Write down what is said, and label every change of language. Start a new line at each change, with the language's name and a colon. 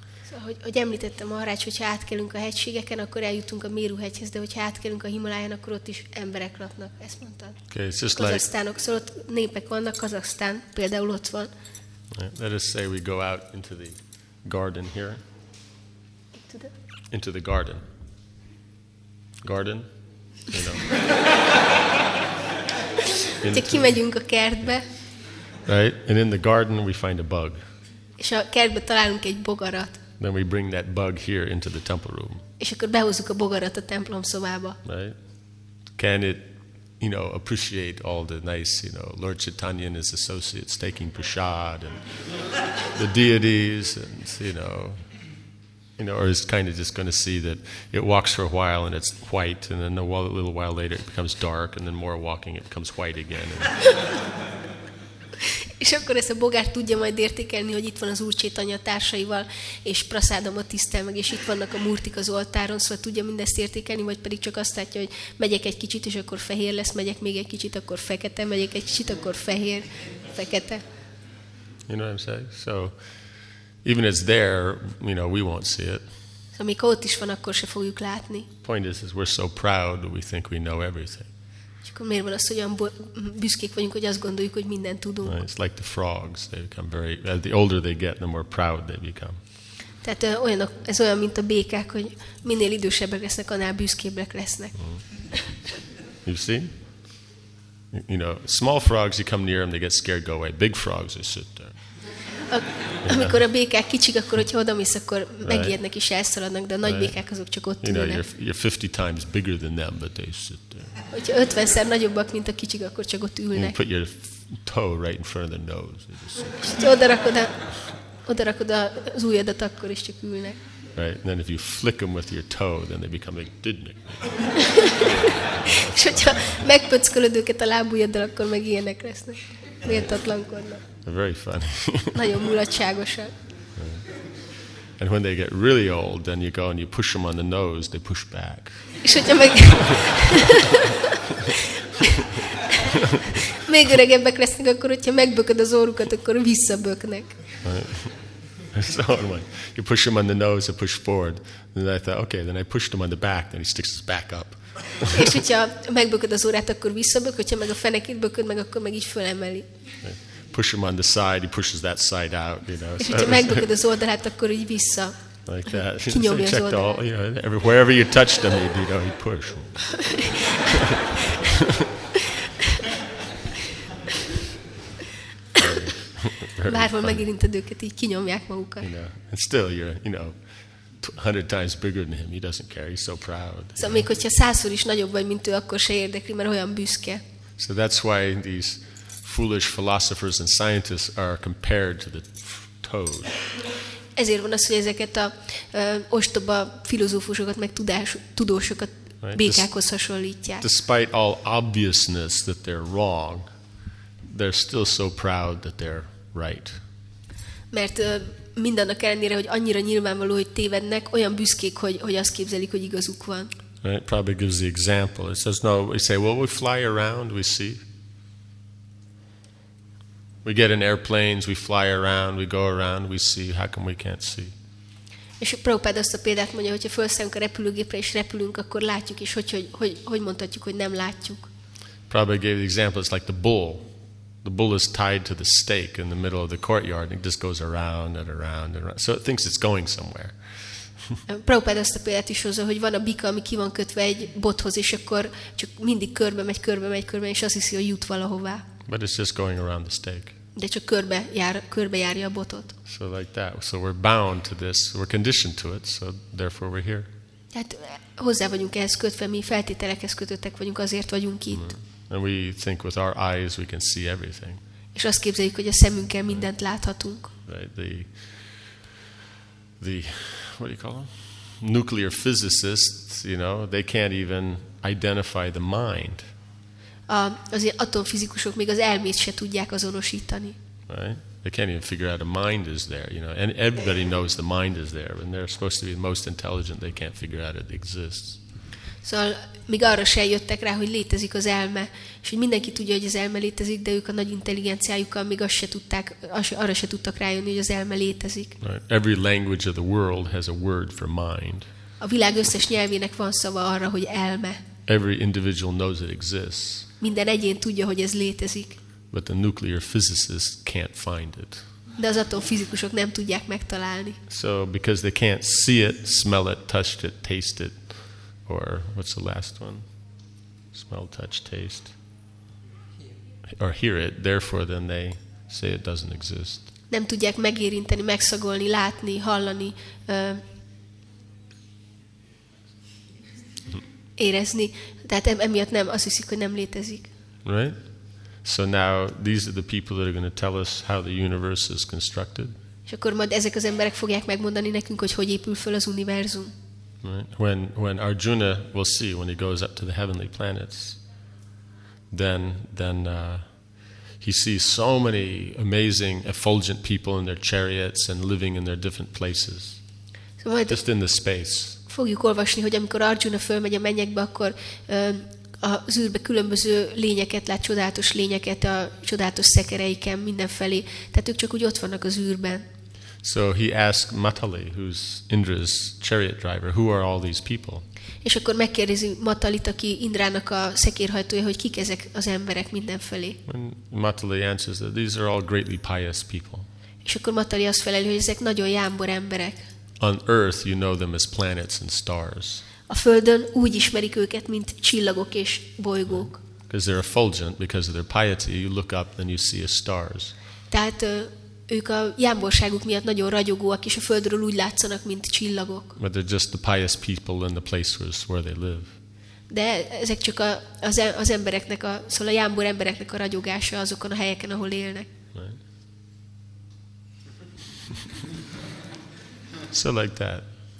Hungarian: Szóval, hogy említettem arra, hogyha átkelünk a hegységeken, akkor eljutunk a Meru hegyhez, de hogyha átkelünk a Himaláján, akkor ott is emberek laknak. Ezt mondtad.
English: Okay, it's just
Hungarian: Kazasztánok, szóval ott népek vannak, Kazasztán például ott van.
English: Let us say we go out into the garden here. Into the garden. Garden? You know.
Hungarian: Ha kimegyünk a kertbe.
English: Right? And in the garden we find a bug.
Hungarian: És a kertben találunk egy bogarat.
English: Then we bring that bug here into the temple room.
Hungarian: És akkor behozzuk a bogarat a templom szobába.
English: Right? Can it, you know, appreciate all the nice, you know, Lord Chaitanya and his associates taking prasad and the deities and, you know, or is kind of just going to see that it walks for a while and it's white, and then a little while later it becomes dark, and then more walking it becomes white again.
Hungarian: És akkor ezt a bogár tudja majd értékelni, hogy itt van az Úr Chaitanya társaival, és praszádomat tisztel meg, és itt vannak a murtik az oltáron, szóval tudja mindezt értékelni, vagy pedig csak azt látja, hogy megyek egy kicsit, és akkor fehér lesz, megyek még egy kicsit, akkor fekete, megyek egy kicsit, akkor fehér, fekete.
English: You know what I'm saying? So, even it's there, you know, we won't see it.
Hungarian: Szóval, amikor ott is van, akkor se fogjuk látni.
English: Point is we're so proud, we think we know everything.
Hungarian: Akkor miért van az, hogy olyan büszkék vagyunk, hogy azt gondoljuk, hogy mindent tudunk.
English: It's like the frogs. They become very, the older they get, the more proud they become.
Hungarian: Tehát olyanok, ez olyan, mint a békák, hogy minél idősebbek lesznek, annál büszkébbek lesznek.
English: Mm. You see? You know, small frogs, you come near them, they get scared, go away. Big frogs, they sit there.
Hungarian: Amikor a békák kicsik, akkor hogyha odamész, akkor megijednek és elszaladnak, de a nagy békák azok csak ott ülnek.
English: You know, you're 50 times bigger than them, but they sit there.
Hungarian: Hogyha 50-szer nagyobbak, mint a kicsik, akkor csak ott ülnek.
English: You put your toe right in front of their nose.
Hungarian: Odarakod az ujjadat, akkor is csak ülnek.
English: Right, and then if you flick them with your toe, then they become like didnik.
Hungarian: És hogyha megpöckölöd őket a lábujjaddal, akkor meg ilyenek lesznek. Méltatlankodnak.
English: Very funny.
Hungarian: Nagyon mulatságosak.
English: And when they get really old, then you go and you push them on the nose, they push back.
Hungarian: És hogyha meg... Még öregebbek lesznek, akkor hogyha megbököd az orrukat, akkor visszaböknek.
English: So, you push them on the nose, they push forward. And then I thought, okay, then I pushed him on the back, then he sticks his back up.
Hungarian: És hogyha megbököd az orrát, akkor visszabök, hogyha meg a fenekét bököd meg, akkor meg így fölemeli.
English: Push him on the side, he pushes that side out, you know.
Hungarian: És hogyha megbököd az oldalát, akkor így vissza.
English: Like that.
Hungarian: Kinyomja az oldalát.
English: All, you know, every, wherever you touch them, you know, he push.
Hungarian: Bárhol megérinted őket, így kinyomják magukat.
English: You know, and still, you're, you know, 100 times bigger than him, he doesn't care, he's so proud.
Hungarian: Szóval még hogyha százszor is nagyobb vagy, mint ő, akkor se érdekli, mert olyan büszke.
English: So that's why these foolish philosophers and scientists are compared to the toad.
Hungarian: Ezért van az, hogy ezeket a ostoba filozófusokat meg tudósokat békákhoz hasonlítják.
English: Despite all obviousness that they're wrong, they're still so proud that they're right.
Hungarian: Mert mindannak ellenére, hogy annyira nyilvánvaló, hogy tévednek, olyan büszkék, hogy azt képzelik, hogy igazuk van.
English: Right, probably gives the example. It says, no, we say, well, we fly around, we see. We get in airplanes, we fly around, we go around, we see. How come we can't see?
Hungarian: És Prabhupád azt a példát mondja, hogyha felszállunk a repülőgépre és repülünk, akkor látjuk, és hogy mondhatjuk, hogy nem látjuk.
English: Prabhupád gave the example, it's like the bull. The bull is tied to the stake in the middle of the courtyard and it just goes around and around and around. So it thinks it's going somewhere.
Hungarian: Prabhupád azt a példát is hozza, hogy van a bika, ami ki van kötve egy bothoz, és akkor csak mindig körbe megy, és azt hiszi, hogy jut valahová.
English: But it's just going around the stake.
Hungarian: De csak körbe járja a botot.
English: So like that. So we're bound to this. We're conditioned to it. So therefore we're here.
Hungarian: Tehát hozzá vagyunk ehhez kötve, mi feltételekhez kötöttek vagyunk, azért vagyunk itt.
English: And we think with our eyes we can see everything.
Hungarian: És azt képzeljük, hogy a szemünkkel mindent láthatunk.
English: Right. The what do you call them? Nuclear physicists, you know, they can't even identify the mind.
Hungarian: Az atomfizikusok még az elmét se tudják azonosítani.
English: Right? They can't even figure out a mind is there, you know. And everybody knows the mind is there, and they're supposed to be the most intelligent. They can't figure out it exists.
Hungarian: Szóval még arra se jöttek rá, hogy létezik az elme, és hogy mindenki tudja, hogy az elme létezik, de ők a nagy intelligenciájukkal még arra se tudtak rájönni, hogy az elme létezik.
English: Right. Every language of the world has a word for mind.
Hungarian: A világ összes nyelvének van szava arra, hogy elme.
English: Every individual knows it exists.
Hungarian: Minden egyén tudja, hogy ez létezik.
English: But the nuclear physicists can't find it.
Hungarian: De az atomfizikusok nem tudják megtalálni.
English: So because they can't see it, smell it, touch it, taste it. Or what's the last one? Smell, touch, taste. Or hear it. Therefore, then they say it doesn't exist.
Hungarian: Nem tudják megérinteni, megszagolni, látni, hallani, érezni. Tehát emiatt nem, azt hiszik, hogy nem létezik.
English: Right? So now these are the people that are going to tell us how the universe is constructed.
Hungarian: És akkor majd ezek az emberek fogják megmondani nekünk, hogy hogy épül föl az univerzum.
English: Right. When Arjuna will see when he goes up to the heavenly planets, then he sees so many amazing effulgent people in their chariots and living in their different places.
Hungarian: So majd
English: just in the space.
Hungarian: Fogjuk olvasni, hogy amikor Arjuna fölmegy a mennyekbe, akkor az űrbe különböző lényeket lát, csodálatos lényeket a csodálatos szekereiken mindenfelé. Tehát ők csak úgy ott vannak az űrben.
English: So he asked Matali, who's Indra's chariot driver, who are all these people?
Hungarian: És akkor megkérdezi Matalit, aki Indrának a szekérhajtója, hogy kik ezek az emberek mindenfelé.
English: And Matali answers that these are all greatly pious people.
Hungarian: És akkor Matali azt feleli, hogy ezek nagyon jámbor emberek.
English: On Earth, you know them as planets and stars.
Hungarian: A Földön úgy ismerik őket, mint csillagok és bolygók.
English: Because they're effulgent, because of their piety, you look up and you see a stars.
Hungarian: Tehát ők a jámborságuk miatt nagyon ragyogóak, és a Földről úgy látszanak, mint csillagok.
English: But they're just the pious people in the places where they live.
Hungarian: De ezek csak az embereknek, szóval a jámbor embereknek a ragyogása azokon a helyeken, ahol élnek.
English: Right. So like that.